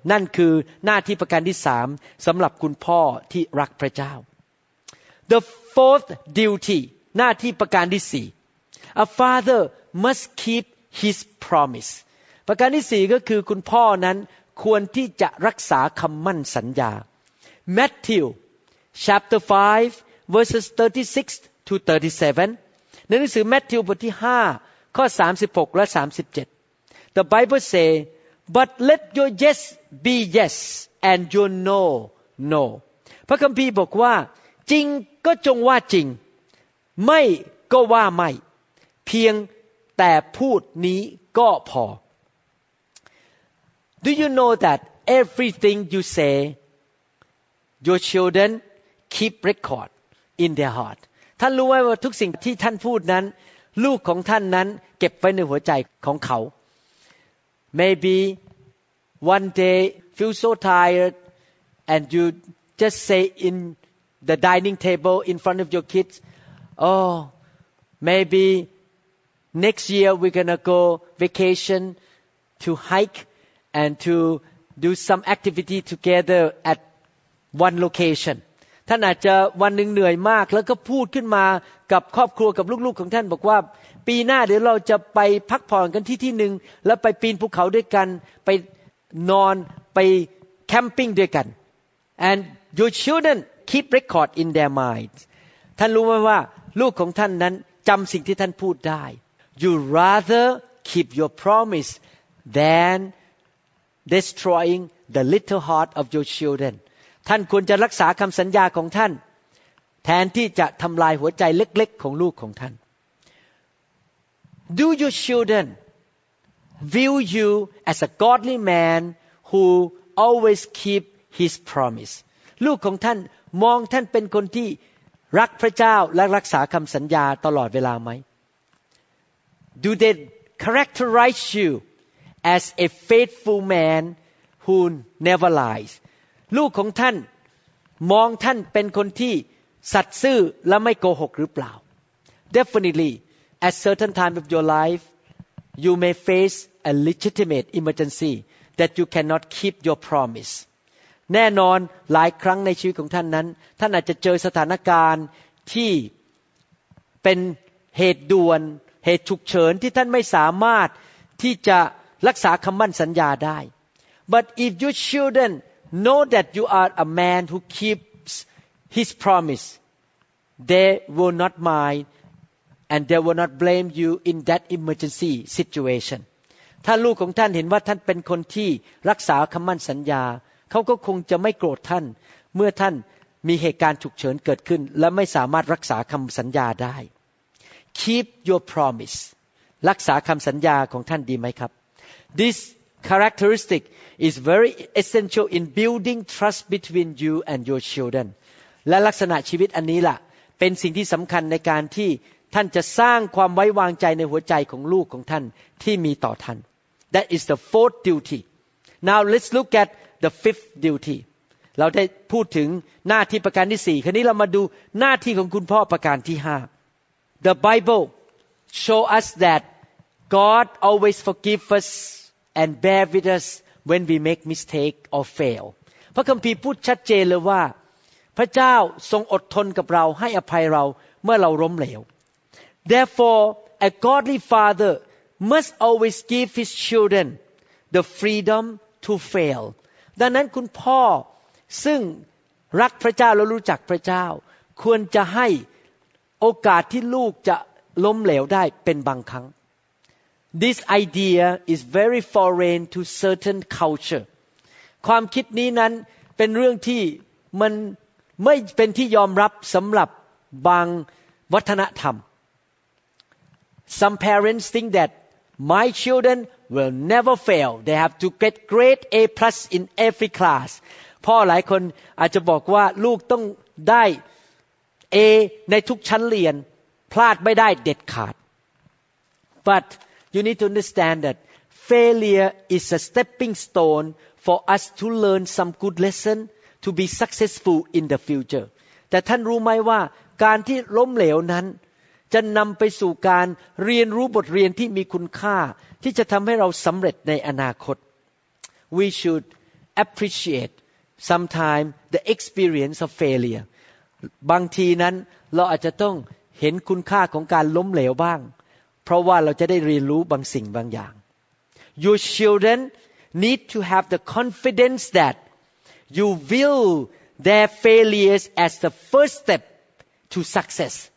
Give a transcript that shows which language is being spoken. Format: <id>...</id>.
<th>นั่นคือหน้าที่ประการที่สามสำหรับคุณพ่อที่รักพระเจ้า</th> <en>The fourth duty,</en> <th>หน้าที่ประการที่สี่</th> <en>A father must keep his promise.</en> <th>ประการที่สี่ก็คือคุณพ่อนั้นควรที่จะรักษาคำมั่นสัญญา</th> <en>Matthew chapter 5 verses 36 to 37.</en> <th>ในหนังสือ Matthew บทที่5ข้อ36และ37</th> <en>The Bible say, But let your yes be yes and your no, no. พระคัมภีร์บอกว่าจริงก็จงว่าจริงไม่ก็ว่าไม่เพียงแต่พูดนี้ก็พอ Do you know that everything you say your children keep record in their heart</en> <th>ท่านรู้ไหมว่าทุกสิ่งที่ท่านพูดนั้นลูกของท่านนั้นเก็บไว้ในหัวใจของเขา</th> <en>Maybe one day feel so tired and you just say in the dining table in front of your kids, oh, maybe next year we're going to go vacation to hike and to do some activity together at one location.</en> <th>ท่านอาจจะวันหนึ่งเหนื่อยมากแล้วก็พูดขึ้นมากับครอบครัวกับลูกๆของท่านบอกว่าปีหน้าเดี๋ยวเราจะไปพักผ่อนกันที่ที่หนึ่งแล้วไปปีนภูเขาด้วยกันไปนอนไปแคมปิ้งด้วยกัน</th> <en>and your children keep record in their minds</en> <th>ท่านรู้ไหมว่าลูกของท่านนั้นจำสิ่งที่ท่านพูดได้</th> <en>you rather keep your promise than destroying the little heart of your children</en> <th>ท่านควรจะรักษาคำสัญญาของท่านแทนที่จะทำลายหัวใจเล็กๆของลูกของท่าน</th> <en>Do your children view you as a godly man who always keep his promise?</en> <th>ลูกของท่านมองท่านเป็นคนที่รักพระเจ้าและรักษาคำสัญญาตลอดเวลาไหม</th> <en>Do they characterize you as a faithful man who never lies</en> <th>ลูกของท่านมองท่านเป็นคนที่สัตย์ซื่อและไม่โกหกหรือเปล่า</th> <en>Definitely, at certain time of your life, you may face a legitimate emergency that you cannot keep your promise.</en> <th>แน่นอนหลายครั้งในชีวิตของท่านนั้นท่านอาจจะเจอสถานการณ์ที่เป็นเหตุด่วนเหตุฉุกเฉินที่ท่านไม่สามารถที่จะรักษาคำมั่นสัญญาได้</th> <en>But if your childrenKnow that you are a man who keeps his promise. They will not mind, and they will not blame you in that emergency situation. If your children see that you are a man who keeps his promise, they will not blame you in that emergency situation. If your children see that you are a man who keeps his promise, they will not blame you in that emergency situation. Keep your promise. Keep your promise. Keep your promise. Keep your promise. Thischaracteristic is very essential in building trust between you and your children</en> <th>และลักษณะชีวิตอันนี้ล่ะเป็นสิ่งที่สำคัญในการที่ท่านจะสร้างความไว้วางใจในหัวใจของลูกของท่านที่มีต่อท่าน</th> <en>That is the fourth duty Now let's look at the fifth duty</en> <th>เราได้พูดถึงหน้าที่ประการที่4คราวนี้เรามาดูหน้าที่ของคุณพ่อประการที่5</th> <en>The Bible show us that God always forgive usand bear with us when we make mistake or fail</en> <th>พระคัมภีร์พูดชัดเจนเลยว่าพระเจ้าทรงอดทนกับเราให้อภัยเราเมื่อเราล้มเหลว</th> <en>therefore a godly father must always give his children the freedom to fail</en> <th>ดังนั้นคุณพ่อซึ่งรักพระเจ้าและรู้จักพระเจ้าควรจะให้โอกาสที่ลูกจะล้มเหลวได้เป็นบางครั้ง</th> <en>This idea is very foreign to certain culture.</en> <th>ความคิดนี้นั้นเป็นเรื่องที่มันไม่เป็นที่ยอมรับสำหรับบางวัฒนธรรม</th> <en>Some parents think that my children will never fail. They have to get grade A plus in every class.</en> <th>พ่อหลายคนอาจจะบอกว่าลูกต้องได้ A ในทุกชั้นเรียนพลาดไม่ได้เด็ดขาด</th> <en>ButYou need to understand that failure is a stepping stone for us to learn some good lesson to be successful in the future.</en> <th>แต่ท่านรู้ไหมว่าการที่ล้มเหลวนั้นจะนำไปสู่การเรียนรู้บทเรียนที่มีคุณค่าที่จะทำให้เราสำเร็จในอนาคต</th> <en>We should appreciate sometimes the experience of failure.</en> <th>บางทีนั้นเราอาจจะต้องเห็นคุณค่าของการล้มเหลวบ้างเพราะว่าเราจะได้เรียนรู้บางสิ่งบางอย่าง</th> <en>Your children need to have the confidence that you view their failures as the first step to success</en>